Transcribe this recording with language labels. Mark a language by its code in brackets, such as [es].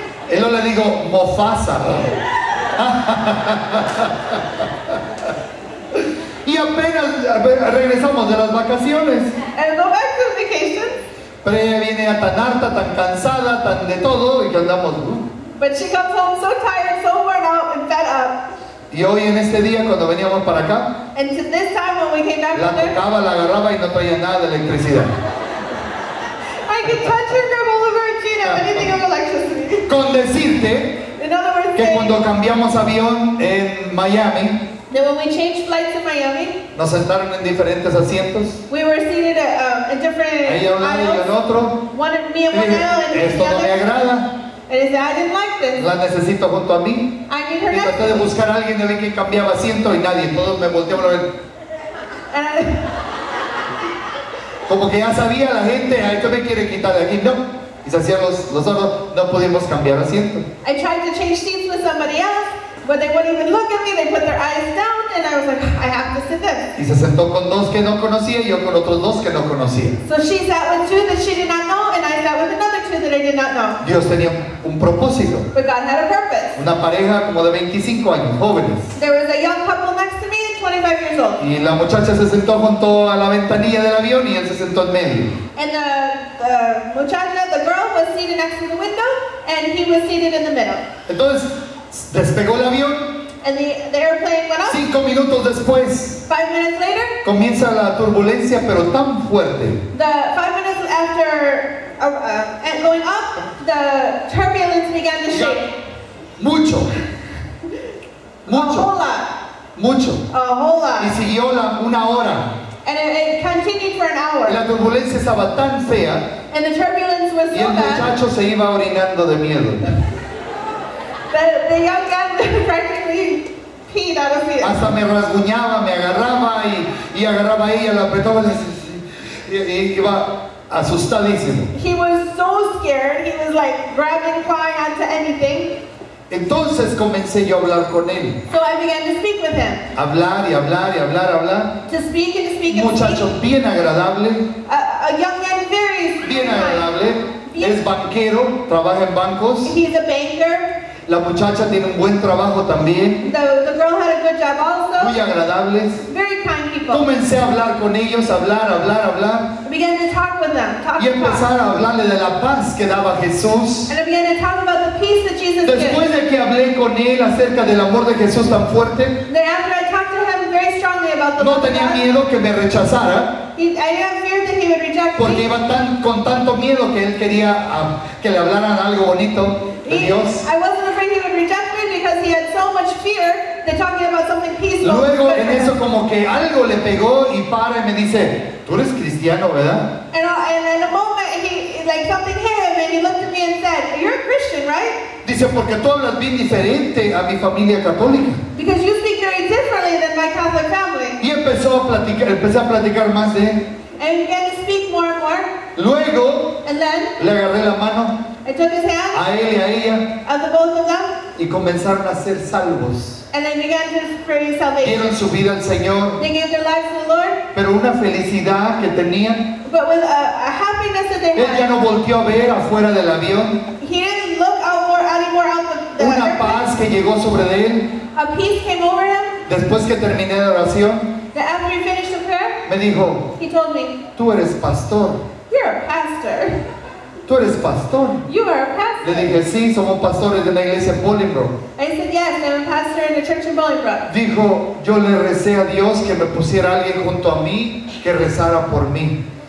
[es] Y luego le digo, Mofasa. Y apenas regresamos de las vacaciones. [en] And go back to vacation. [es] Pero ella viene tan harta, tan cansada, tan de todo, y que andamos. [en] But she comes home so tired, so worn out and fed up. [es] Y hoy en este día cuando veníamos para acá, [en] and to this time when we came back, [es] la tocaba, la agarraba y no traía nada de electricidad. [en] I could touch her, grab all of her, and she didn't have anything of electricity. [es] Con decirte, [en] in other words, [es] que cuando cambiamos avión en Miami, [en] that when we changed flights in Miami, [es] nos sentaron en diferentes asientos. [en] We were seated at a different. [es] Ella un lado y yo en otro. [en] One of me in one aisle and the other. [es] Esto no me agrada. [en] And his dad didn't like this. [es] La necesito junto a mí. [en] I need her next. [es] Y traté de buscar a alguien de ver que cambiaba asiento y nadie. Todos me volteaban a ver. Como que ya sabía la gente, ay, ¿qué me quiere quitar de aquí? No. Y se hacían los ojos, no pudimos cambiar asiento. [en] I tried to change seats with somebody else, but they wouldn't even look at me. They put their eyes down, and I was like, I have to sit there. [es] Y se sentó con dos que no conocía y yo con otros dos que no conocía. [en] So she sat with two that she did not know, and I sat with another two that I did not know. [es] Dios tenía un propósito. [en] But God had a purpose. [es] Una pareja como de 25 años, jóvenes. [en] There was a young couple next to me, 25 years old. [es] Y la muchacha se sentó junto a la ventanilla del avión y él se sentó en medio. [en] And the muchacha, the girl, was seated next to the window, and he was seated in the middle. [es] Entonces, despegó el avión. [en] And the airplane went up. [es] 5 minutos después. [en] 5 minutes later. [es] Comienza la turbulencia, pero tan fuerte. [en] The 5 minutes after going up, the turbulence began to shake. [es] Mucho. Mucho. [en] A whole lot. [es] Mucho. [en] A whole lot. [es] Y siguió una hora. [en] And it continued for an hour. [es] La turbulencia estaba tan fea. [en] And the turbulence was so bad. [es] Y el muchacho se iba orinando de miedo. [en] The young man practically peed out of fear. [es] Hasta me rasguñaba, me agarraba y agarraba a ella, la apretaba y iba asustadísimo. [en] He was so scared. He was like grabbing, clawing onto anything. [es] Entonces comencé yo a hablar con él. [en] So I began to speak with him. [es] Hablar y hablar y hablar, hablar. [en] To speak and speak and [es] muchacho [en] speak. [es] Bien agradable. [en] A young man, very [es] bien agradable. Es banquero, trabaja en bancos. [en] He's a banker. [es] La muchacha tiene un buen trabajo también. [en] The girl had a good job also. [es] Muy agradables. [en] Very kind people. [es] Comencé a hablar con ellos, hablar, hablar, hablar. [en] I began to talk with them, talk [es] y empezar [en] talk. [es] A hablarle de la paz que daba Jesús. [en] And I began to talk about the peace that Jesus gives. [es] Después [en] gave. [es] De que hablé con él acerca del amor de Jesús tan fuerte. [en] Then after I talked to him very strongly about the [es] no tenía miedo que me rechazara. [en] I had fear that he would reject me. [es] Porque iba tan, con tanto miedo que él quería que le hablaran algo bonito de Dios. [en] I wasn't afraid he would reject me because he had so much fear that talking about something peaceful. [es] Luego en eso como que algo le pegó y para y me dice, tú eres cristiano, ¿verdad? [en] And in a moment something hit him and he looked at me and said, you're a Christian, right? [es] Dice, porque tú hablas bien diferente a mi familia católica. [en] Because you speak very differently than my Catholic family. [es] Y empecé a platicar más de él. [en] And he began to speak more and more. [es] Luego, [en] and then, [es] le agarré la mano. [en] I took his hand. [es] A él y a ella. [en] Of the both of them. [es] Y comenzaron a ser salvos. [en] And they began to pray salvation. [es] Dieron su vida al Señor. [en] They gave their lives to the Lord. [es] Pero una felicidad que tenían. [en] But with a happiness that they [es] él [en] had. [es] Él ya no volteó a ver afuera del avión. [en] He didn't look anymore out the [es] una [en] airplane. [es] Paz que llegó sobre de él. [en] A peace came over him. [es] Después que terminé la oración. [en] That after he finished the prayer. [es] Me dijo. [en] He told me. [es] Tú eres pastor. [en] You're a pastor. [es] Tú eres pastor. [en] You are a pastor. [es] Le dije, sí, somos pastores de la iglesia en Bolingbrook. [en] I said, yes, I'm a pastor in the church in Bolingbrook. [es] Dijo, yo le recé a Dios que me pusiera alguien junto a mí que rezara por mí.